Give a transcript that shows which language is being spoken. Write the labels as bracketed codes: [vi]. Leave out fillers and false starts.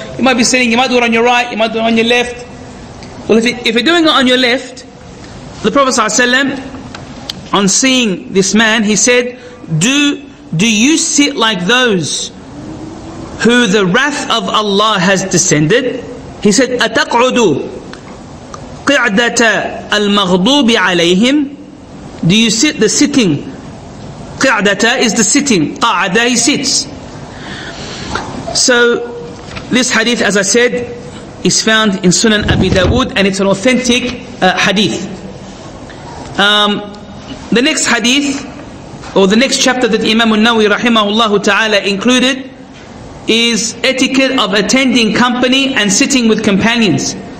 [en] You might be sitting, you might do it on your right, you might do it on your left. Well, if you're doing it on your left, the Prophet sallallahu alaihi wasallam, on seeing this man, he said, do do you sit like those who the wrath of Allah has descended? He said, [ar] أَتَقْعُدُ قِعْدَةَ الْمَغْضُوبِ عَلَيْهِمْ. [en] Do you sit the sitting? قِعْدَةَ is the sitting. قَعْدَة, he sits. So, this hadith, as I said, is found in Sunan Abi Dawood, and it's an authentic hadith. The next hadith, or the next chapter that Imam Nawawi rahimahullah ta'ala included, is etiquette of attending company and sitting with companions.